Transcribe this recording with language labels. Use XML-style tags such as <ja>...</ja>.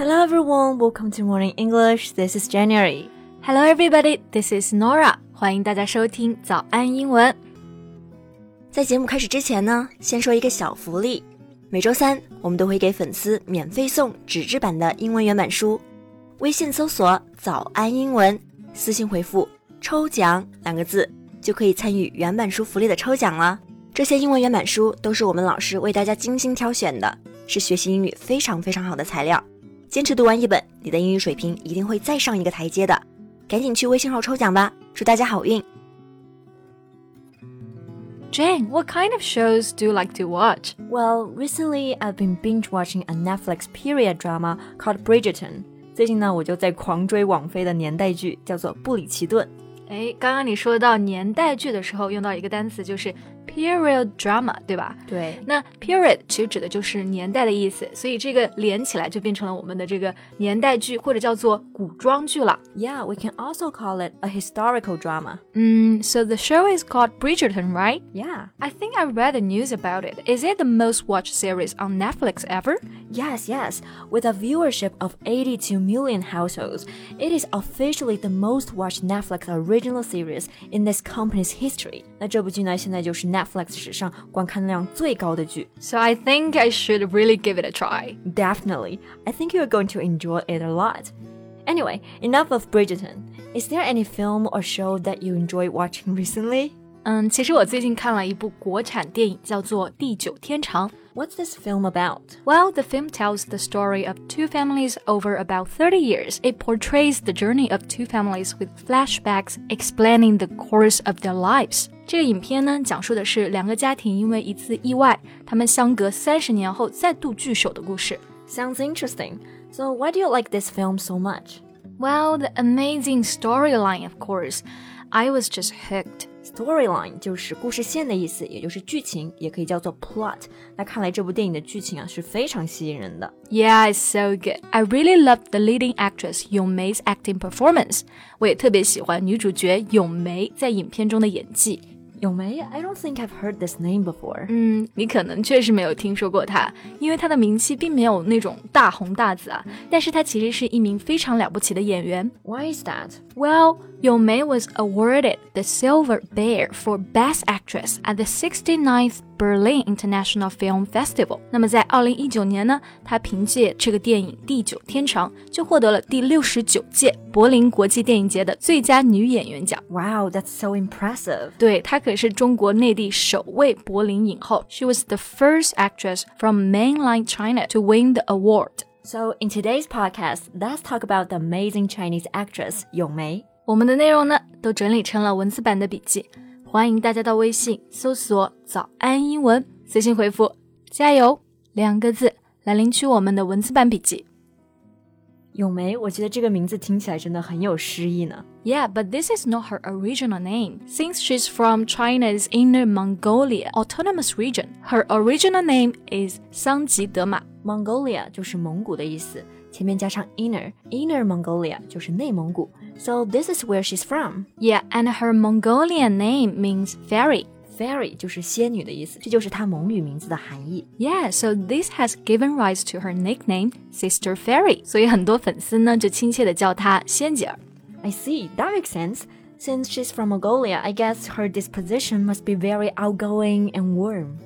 <en>everyone, welcome to Morning English. This is January. Hello everybody, this is Nora.</en> <zh>欢迎大家收听早安英文。在节目开始之前呢，先说一个小福利。每周三，我们都会给粉丝免费送纸质版的英文原版书。微信搜索早安英文，私信回复抽奖两个字，就可以参与原版书福利的抽奖了。这些英文原版书都是我们老师为大家精心挑选的，是学习英语非常非常好的材料。坚持读完一本，你的英语水平一定会再上一个台阶的。赶紧去微信号抽奖吧，祝大家好运。</zh> <en>Jane, what kind of shows do you like to watch? Well, recently I've been binge-watching a Netflix period drama called Bridgerton.</en> <zh>最近呢，我就在狂追网飞的年代剧，叫做《布里奇顿》。哎，刚刚你说到年代剧的时候，用到一个单词就是 period drama, 对吧？对。那 period 其实指的就是年代的意思，所以这个连起来就变成了我们的这个年代剧，或者叫做古装剧了。</zh> <en>Yeah, we can also call it a historical drama. So the show is called Bridgerton, right? Yeah. I think I read the news about it. Is it the most watched series on Netflix ever? Yes, yes. With a viewership of 82 million households, it is officially the most watched Netflix original series in this company's history.</en> <zh>那这部剧呢，现在就是 Netflix 史上观看量最高的剧。</zh> <en>So I think I should really give it a try. Definitely. I think you're going to enjoy it a lot. Anyway, enough of Bridgerton. Is there any film or show that you enjoy watching recently?</en> <zh>其实我最近看了一部国产电影，叫做《地久天长》。</zh> <en>What's this film about? Well, the film tells the story of two families over about 30 years. It portrays the journey of two families with flashbacks explaining the course of their lives.</en> <zh>这个影片呢，讲述的是两个家庭因为一次意外，他们相隔30年后再度聚首的故事。</zh> <en>Sounds interesting. So why do you like this film so much? Well, the amazing storyline, of course. I was just hooked.</en> <zh>Storyline 就是故事线的意思，也就是剧情，也可以叫做 plot。那看来这部电影的剧情啊是非常吸引人的。</zh> <en>Yeah, it's so good. I really loved the leading actress Yong Mei's acting performance.</en> <zh>我也特别喜欢女主角Yong Mei在影片中的演技。</zh> <en>Yong Mei, I don't think I've heard this name before.</en> <zh>你可能确实没有听说过她，因为她的名气并没有那种大红大紫啊。但是她其实是一名非常了不起的演员。</zh> <en>Why is that? Well, Yong Mei was awarded the Silver Bear for Best Actress at the 69th Berlin International Film Festival.</en> <zh>那么在2019年呢，她凭借这个电影《地久天长》就获得了第69届柏林国际电影节的最佳女演员奖。</zh> <en>Wow, that's so impressive.</en> <zh>对，她可是中国内地首位柏林影后。</zh> <en>She was the first actress from mainland China to win the award. So in today's podcast, let's talk about the amazing Chinese actress Yong Mei.</en> <zh>我们的内容呢都整理成了文字版的笔记，欢迎大家到微信搜索早安英文，私信回复加油两个字来领取我们的文字版笔记。咏梅，我觉得这个名字听起来真的很有诗意呢。</zh> <en>Yeah, but this is not her original name. Since she's from China's Inner Mongolia Autonomous Region, her original name is 桑吉德玛。</en> <zh>Mongolia 就是蒙古的意思，前面加上 Inner Mongolia 就是内蒙古。</zh> <en>So this is where she's from. Yeah, and her Mongolian name means fairy.</en> <zh>Fairy 就是仙女的意思，这就是她蒙语名字的含义。</zh> <en>Yeah, so this has given rise to her nickname, Sister Fairy.</en> <zh>所以很多粉丝呢就亲切地叫她仙姐儿。</zh> <en>I see, that makes sense. Since she's from Mongolia, I guess her disposition must be very outgoing and warm.</en>